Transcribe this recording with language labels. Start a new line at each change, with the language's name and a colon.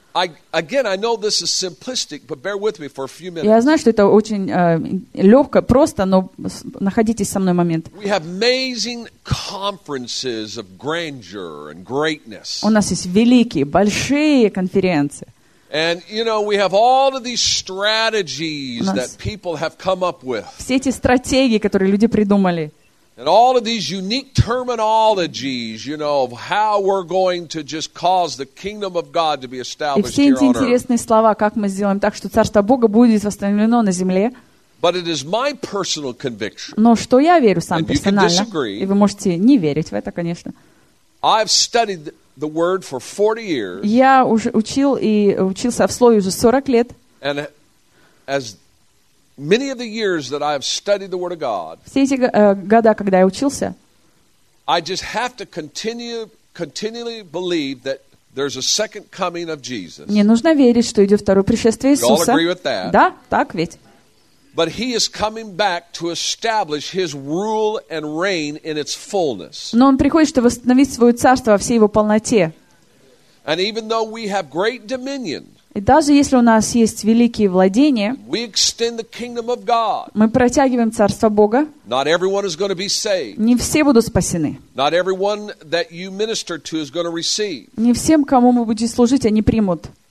English: I know this is simplistic, but bear with me for a few minutes.
Russian: Я знаю, что это очень легко, просто, но находитесь со мной момент.
English: We have amazing conferences of grandeur and greatness.
Russian: У нас есть великие, большие конференции.
English: And you know, we have all of these strategies that people have come up with.
Russian: Все эти стратегии, которые люди придумали.
English: And all of these unique terminologies, you know, of how we're going to just cause the kingdom of God to be established here on earth.
Russian: И все эти интересные слова, как мы сделаем так, что царство Бога будет восстановлено на земле.
English: But it is my personal conviction.
Russian: Но что я верю сам персонально.
English: And you can disagree.
Russian: И вы можете не верить в это, конечно.
English: I've studied the word for 40 years.
Russian: Я уже учил и учился в слове уже 40 лет.
English: And as many of the years that I have studied the Word of God,
Russian: все эти года, когда я учился,
English: I just have to continually believe that there's a second coming of Jesus.
Russian: Мне нужно верить, что идет второе пришествие Иисуса.
English: You all agree with that?
Russian: Да, так ведь.
English: But he is coming back to establish his rule and reign in its fullness.
Russian: Но он приходит, чтобы восстановить свое царство во всей его полноте.
English: And even though we have great dominion,
Russian: и даже если у нас есть великие владения, мы протягиваем царство Бога. Не все будут спасены. Не всем, кому мы будем служить, они примут.